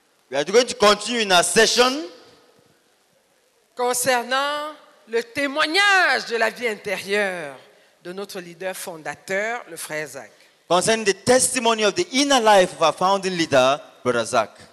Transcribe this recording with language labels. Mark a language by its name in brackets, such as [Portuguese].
[English] We are going to continue in our session [French] concernant le témoignage de la vie intérieure de notre leader fondateur, le frère Zach. [English] Concerning the testimony of the inner life of our founding leader, Brother Zach.